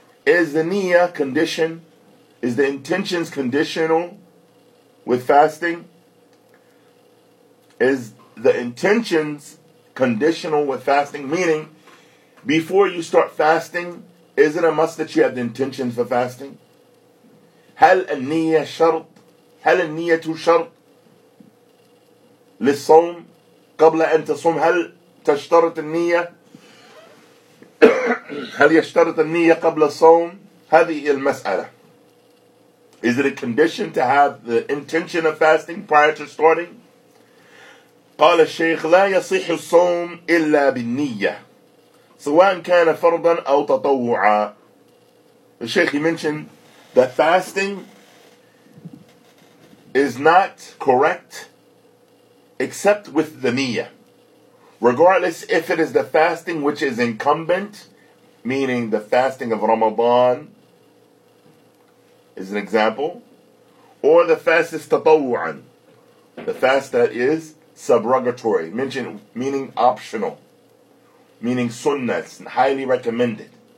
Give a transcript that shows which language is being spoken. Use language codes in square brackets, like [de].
[en] Is the niyyah condition, is the intentions conditional with fasting? Is the intentions conditional with fasting? Meaning, before you start fasting, is it a must that you have the intentions for fasting? [ar] هل النية شرط؟ هل النية شرط للصوم قبل أن تصوم؟ هل تشترط النية؟ هل يشترط النية قبل الصوم؟ هذه هي المسألة. [en] Is it a condition to have the intention of fasting prior to starting? [ar] قال الشيخ لا يصح الصوم إلا بالنية سواء كان فرضا أو تطوعا. [en] الشيخ mentioned that fasting is not correct except with the niyyah. Regardless if it is the fasting which is incumbent, meaning the fasting of Ramadan is an example, or the fast is tatawu'an, the fast that is subrogatory, mentioned, meaning optional, meaning sunnah, highly recommended.